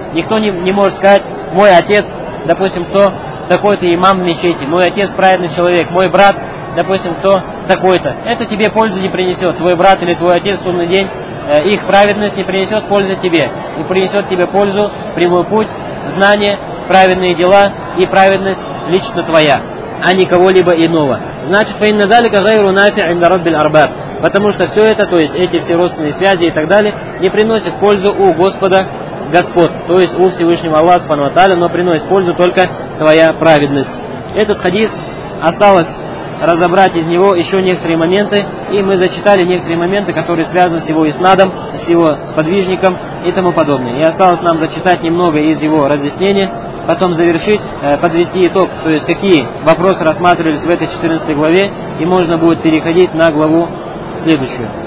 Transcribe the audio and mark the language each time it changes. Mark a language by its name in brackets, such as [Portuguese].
[Russian] Никто не может сказать, мой отец, допустим, кто такой-то имам в мечети, мой отец праведный человек, мой брат, допустим, кто такой-то. Это тебе пользу не принесет, твой брат или твой отец в сунный день их праведность не принесет пользы тебе, не принесет тебе пользу прямой путь, знание, праведные дела и праведность лично твоя, а не кого-либо иного. Значит, [Arabic] فَإِنَّ ذَلِكَ غَيْرُ نَافِعٍ لِرَبِّ الْأَرْبَابِ. [Russian] Потому что все это, то есть эти все родственные связи и так далее, не приносит пользу у Господа Господ, то есть у Всевышнего Аллаха Субхану ва Тааля, но приносит пользу только твоя праведность. Этот хадис осталось разобрать из него еще некоторые моменты, и мы зачитали некоторые моменты, которые связаны с его иснадом, с его сподвижником и тому подобное. И осталось нам зачитать немного из его разъяснения, потом завершить, подвести итог, то есть какие вопросы рассматривались в этой 14 главе, и можно будет переходить на главу следующую.